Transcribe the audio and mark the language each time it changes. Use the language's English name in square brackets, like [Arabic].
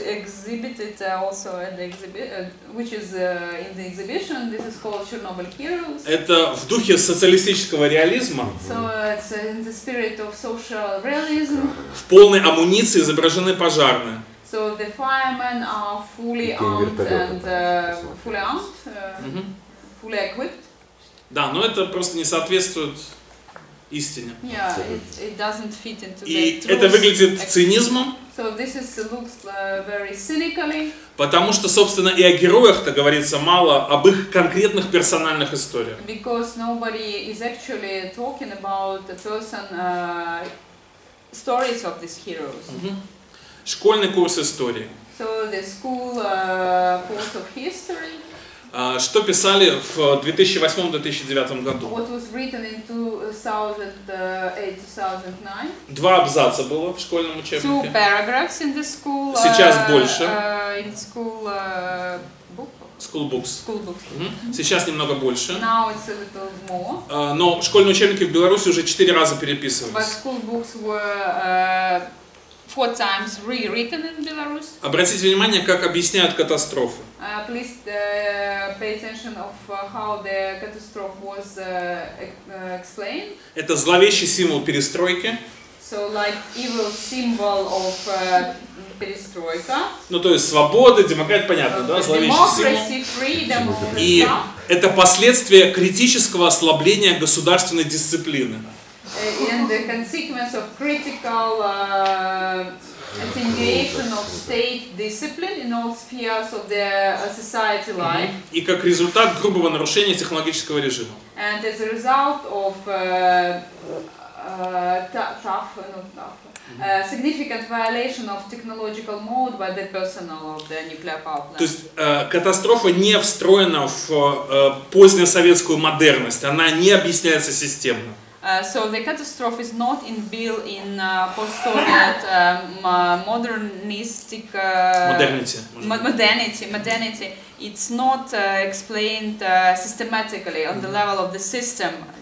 [English] Which is exhibited also at the which is in the exhibition. This is called Chernobyl Heroes. [Russian] Это в духе социалистического реализма. [English] So it's in the spirit of social realism. [Russian] В полной амуниции изображены пожарные. [English] So the firemen are fully armed and fully armed, fully equipped. [Russian] Да, но это просто не соответствует истине. [English] Yeah, it doesn't fit into the truth. [Russian] И это выглядит цинизмом. [English] So this is looks very cynically. [Russian] Потому что, собственно, и о героях-то говорится мало, об их конкретных персональных историях. [English] Because nobody is actually talking about the person stories of these heroes. [Russian] Школьный курс истории. [English] So the school course of history. [Russian] Что писали в 2008-2009 году? [English] What was written in 2008-2009? [Russian] Два абзаца было в школьном учебнике. [English] Two paragraphs in the school. [Russian] Сейчас больше. [English] In school book. School books. School books. [Russian] Сейчас немного больше. [English] Now it's a little more. [Russian] Но школьные учебники в Беларуси уже 4 раза переписывались. [English] But school books were four times rewritten in Belarus. [Russian] Обратите внимание, как объясняют катастрофу. [English] Please pay attention of how the catastrophe was explained. [Russian] Это зловещий символ перестройки. [English] So like evil symbol of перестройка. [Russian] Ну то есть свобода, демократия, понятно, да, зловещий символ. [English] Democracy, freedom. [Russian] И это последствия критического ослабления государственной дисциплины. [English] And the consequence of critical attenuation of state discipline in all spheres of the society life. [Russian] И как результат грубого нарушения технологического режима. [English] And as a result of significant violation of technological mode by the personnel of the nuclear power plant. [Russian] То есть катастрофа не встроена в позднесоветскую модерность, она не объясняется системно. [English] So the catastrophe is not inbuilt in post-Soviet modernistic modernity. It's not explained systematically on the level of the system.